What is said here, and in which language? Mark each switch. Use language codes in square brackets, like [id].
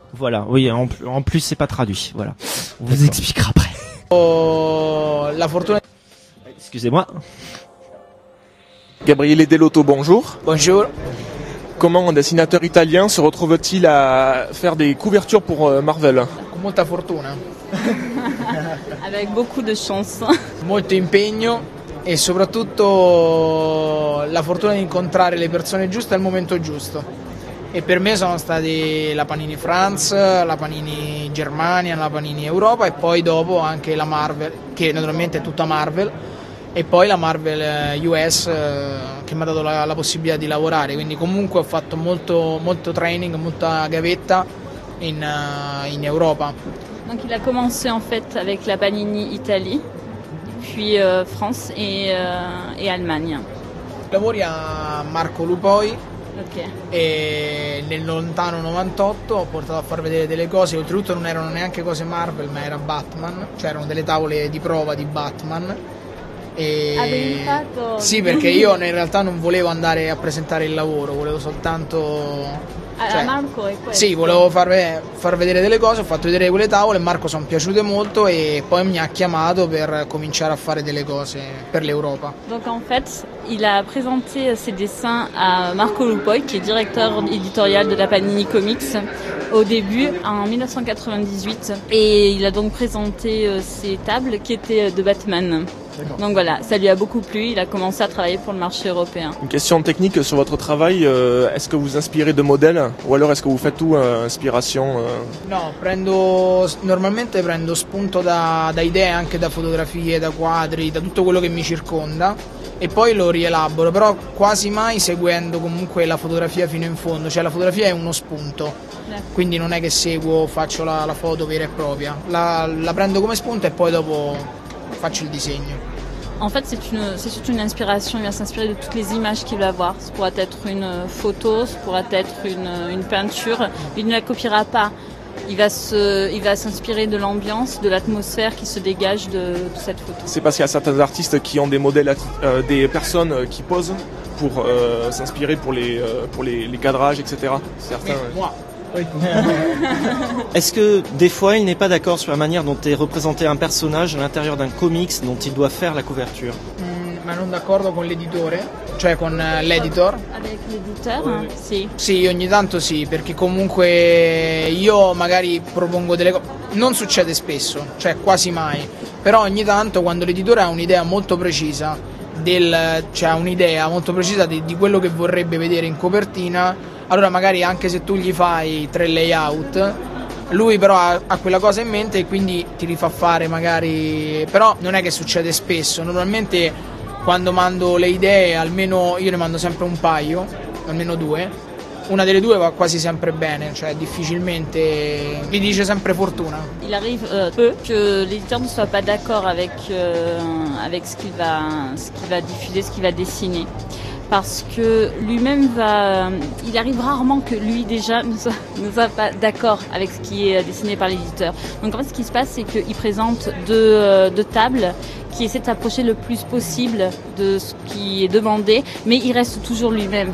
[fr] Voilà. Oui. En plus, c'est pas traduit. Voilà. On vous expliquera après. La fortune. Excusez-moi. Gabriele Delotto, bonjour. Bonjour. Comment un dessinateur italien se retrouve-t-il à faire des couvertures pour Marvel? [it] Con ta fortuna. [fr] Avec beaucoup de chance. [it] Molto impegno e soprattutto la fortuna di incontrare le persone giuste al momento giusto. E per me sono stati la Panini France, la Panini Germania, la Panini Europa e poi dopo anche la Marvel, che naturalmente è tutta Marvel. E poi la Marvel US che mi ha dato la possibilità di lavorare, quindi comunque ho fatto molto, molto training, molta gavetta in Europa. [fr] Donc il a commencé en fait avec la Panini Italie, puis France et Allemagne. [it] Lavori a Marco Lupoi. Ok. E nel lontano 98 ho portato a far vedere delle cose, oltretutto non erano neanche cose Marvel, ma era Batman, cioè erano delle tavole di prova di Batman. Sì, perché io in realtà non volevo andare a presentare il lavoro, volevo soltanto cioè, Marco è questo. Sì, volevo far vedere delle cose, ho fatto vedere quelle tavole, Marco sono piaciute molto e poi mi ha chiamato per cominciare a fare delle cose per l'Europa. [fr] Donc en fait, il a présenté ses dessins a Marco Lupoi, [it] che è [fr] directeur éditorial de la Panini Comics. Au début, en 1998, et il a donc présenté ses tables qui étaient de Batman. D'accord. Donc voilà, ça lui a beaucoup plu, il a commencé à travailler pour le marché européen. Une question technique sur votre travail, est-ce que vous inspirez de modèles ou alors est-ce que vous faites tout inspiration [it] Non, normalmente prendo spunto da idee, anche da fotografie, da quadri, da tutto quello che mi circonda. E poi lo rielaboro, però quasi mai seguendo comunque la fotografia fino in fondo, cioè la fotografia è uno spunto, quindi non è che seguo, faccio la foto vera e propria, la prendo come spunto e poi dopo faccio il disegno. [fr] En fait, c'est toute une inspiration. Il va s'inspirer de toutes les images qu'il va voir. Ce pourra être une photo, ce pourra être une peinture. Il ne la copiera pas. Il va s'inspirer de l'ambiance, de l'atmosphère qui se dégage de cette photo. C'est parce qu'il y a certains artistes qui ont des modèles, des personnes qui posent pour s'inspirer pour les cadrages, etc. Certains, oui, moi. Est-ce que des fois il n'est pas d'accord sur la manière dont est représenté un personnage à l'intérieur d'un comics dont il doit faire la couverture? [it] Ma non d'accordo con l'editore, cioè con l'editor. [fr] Avec l'éditeur, sì. [it] Sì, ogni tanto sì, perché comunque io magari propongo delle cose, non succede spesso, cioè quasi mai, però ogni tanto quando l'editore ha un'idea molto precisa del, cioè un'idea molto precisa di quello che vorrebbe vedere in copertina, allora magari anche se tu gli fai tre layout, lui però ha quella cosa in mente e quindi ti rifà fare magari, però non è che succede spesso, normalmente quando mando le idee, almeno io ne mando sempre un paio, almeno due, una delle due va quasi sempre bene, cioè difficilmente, mi dice sempre fortuna. [fr] Il arrive peu que l'éditeur ne soit pas d'accord avec avec ce qu'il va diffuser, ce qu'il va dessiner. Parce que lui-même va, il arrive rarement que lui déjà ne soit pas d'accord avec ce qui est dessiné par l'éditeur. Donc en fait, ce qui se passe, c'est qu'il présente deux tables qui essaient de s'approcher le plus possible de ce qui est demandé, mais il reste toujours lui-même.